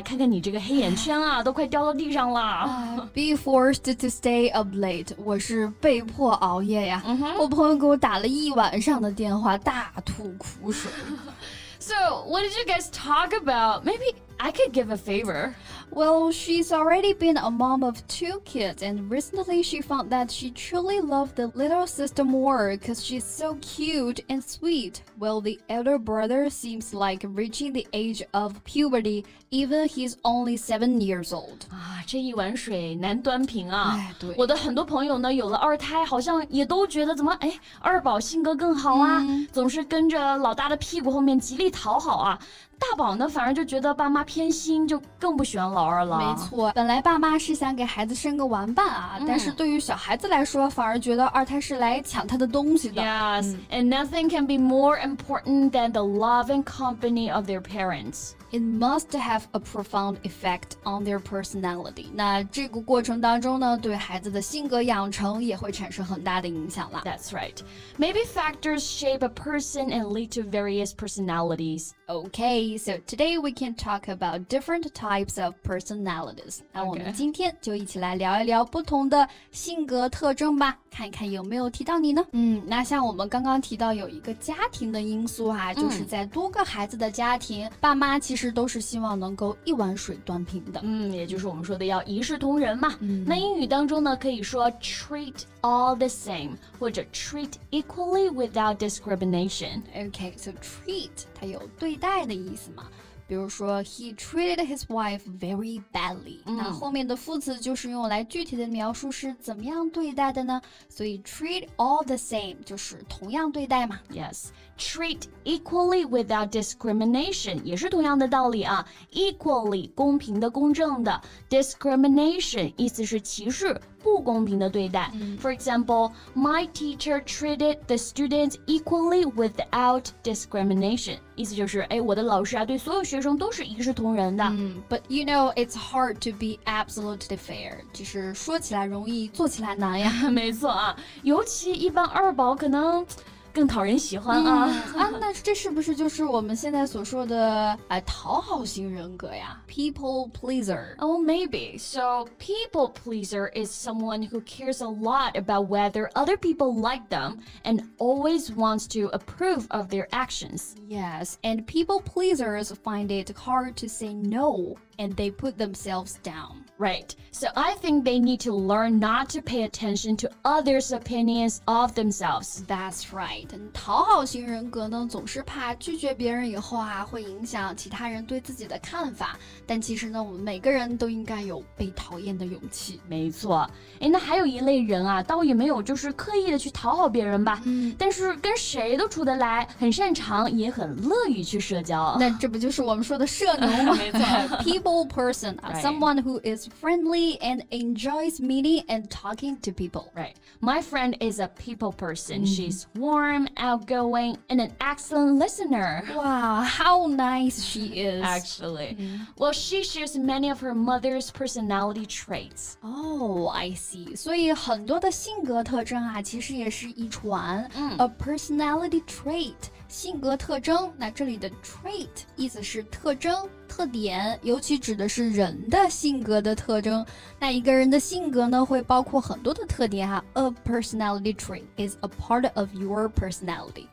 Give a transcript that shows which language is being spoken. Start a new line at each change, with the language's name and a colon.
Chinese: 看看你这个黑眼圈啊，都快掉到地上了。
English: Be forced to stay up late.
Chinese: 我是被迫熬夜呀。 Mm-hmm. 我朋友给我打了一晚上的电话，大吐苦水。
English: So, what did you guys talk about? Maybe I could give a favor. Well, she's already been a mom of two kids, and recently she found that she truly loved the little sister more because she's so cute and sweet. Well, the elder brother seems like reaching the age of puberty, even he's only 7 years old.
Chinese: 啊，这一碗水难端平啊。哎，对。我的很多朋友呢，有了二胎，好像也都觉得怎么，哎，二宝性格更好啊，总是跟着老大的屁股后面极力讨好啊。大宝呢反而就觉得爸妈偏心，就更不喜欢老二了。没错，本来爸妈是想给孩子生个玩伴啊，但是对于小孩子来说反而觉得二胎是来抢他的东西的。
English: Yes, and nothing can be more important than the love and company of their parents. It must have a profound effect on their personality.
Chinese: 那这个过程当中呢，对孩子的性格养成也会产生很大的影响了。
English: That's right. Maybe factors shape a person and lead to various personalities. Okay. So today we can talk about different types of personalities.
Chinese: 那我们今天就一起来聊一聊不同的性格特征吧，看一看有没有提到你呢？那像我们刚刚提到有一个家庭的因素啊，就是在多个孩子的家庭，爸妈其实都是希望能够一碗水端平的。也就是我们说的要一视同仁嘛。那英语当中呢，可以说
English: treat all the same，
Chinese: 或者
English: treat equally without discrimination. Okay, so treat
Chinese: 它有对待的意思嘛。比如说
English: he treated his wife very badly.
Chinese: 那后面的副词就是用来具体的描述是怎么样对待的呢？所以 treat all the same 就是同样对待嘛。
English: Yes, treat equally without discrimination
Chinese: 也是同样的道理啊。 Equally 公平的公正的， discrimination 意思是歧视，不公平的对待。
English: For example, my teacher treated the students equally without discrimination.
Chinese: 意思就是，哎，我的老师啊，对所有学生都是一视同仁的。
English: But you know, it's hard to be absolutely fair.
Chinese: 其实说起来容易，做起来难呀。没错啊，尤其一般二宝可能更讨人喜欢啊。那这是不是就是我们现在所说的讨好型人格呀？
English: People pleaser. Oh, maybe. So people pleaser is someone who cares a lot about whether other people like them and always wants to approve of their actions. Yes, and people pleasers find it hard to say no and they put themselves down. Right. So I think they need to learn not to pay attention to others' opinions of themselves. That's right.
Chinese: 讨好型人格呢，总是怕拒绝别人以后啊，会影响其他人对自己的看法。但其实呢，我们每个人都应该有被讨厌的勇气。没错。哎，那还有一类人啊，倒也没有就是刻意的去讨好别人吧。但是跟谁都处得来，很擅长，也很乐于去社交。那这不就是我们说的社牛吗？没错。
English: People person, someone who is friendly and enjoys meeting and talking to people. Right. My friend is a people person. She's warm, outgoing, and an excellent listener. Wow, how nice she is. Actually. Well, she shares many of her mother's personality traits. Oh, I see.
Chinese: 所以很多的性格特征啊，其实也是遗传。 A personality trait, 性格特征，那这里的 trait 意思是特征。特点尤其指的是人的性格的特征，那一个人的性格呢会包括很多的特点啊。
English: A personality trait is a part of your personality.